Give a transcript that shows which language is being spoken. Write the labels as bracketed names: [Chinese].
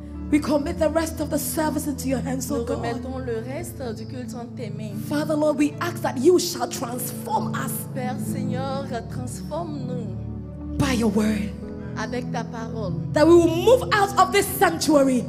[English] We commit the rest of the service into your hands, [French] nous [English] oh God. [French] Remettons le reste du culte en tes mains. [English] Father, Lord, we ask that you shall transform us. [French] Père, Seigneur, transforme-nous [English] by your word. [French] Avec ta parole. [English] That we will move out of this sanctuary.